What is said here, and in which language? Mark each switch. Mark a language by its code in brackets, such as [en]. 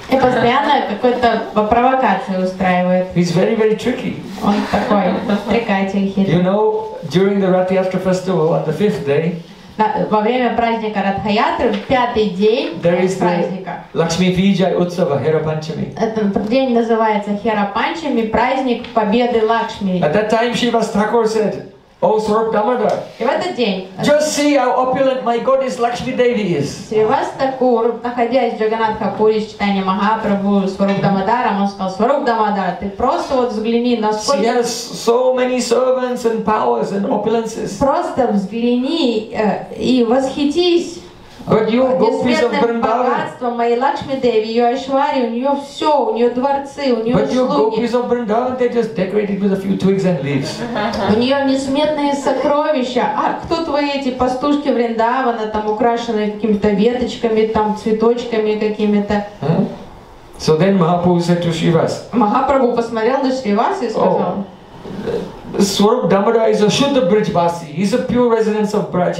[ru] Это постоянно какой-то провокации устраивает. [en] He's very, very tricky. [ru] Он такой трекатель, хитрый. [en] You know, during the Ratriyatra festival on the fifth day. [ru] Во время праздника Ратхаятры, в пятый день праздника. Лакшми Виджай Утсава, Херапанчами. Этот день называется Херапанчами, праздник победы Лакшми. [en] At that time, Shiva Thakur said. О, Сурб Дамодар. [ru] И в этот день. [en] Just see how opulent my goddess Lakshmi Devi is. [ru] Шривастакур, находясь в Джаганатхапуре с читанием Махапрабху, Сурб Дамодаром, он сказал: Сурб Дамодар, ты просто вот взгляни, насколько. [en] She has so many servants and powers and opulences. [ru] Просто взгляни и восхитись. [en] But you gopis of Vrindavan. [ru] Богатство моей Лакшми Деви, ее Айшвари, у нее все, у нее дворцы, у нее слуги. [en] But you gopis of Vrindavan, they just decorated with a few twigs and leaves. [ru] У нее несметные сокровища. А кто твои эти пастушки Вриндавана, там украшенные какими-то веточками, там цветочками какими-то? [en] So then Mahaprabhu said to Shrivas. [ru] Махапрабху посмотрел на Шривас и сказал. [en] Swarup Damodara is a Shuddha Brijvasi. He's a pure resident of Braj.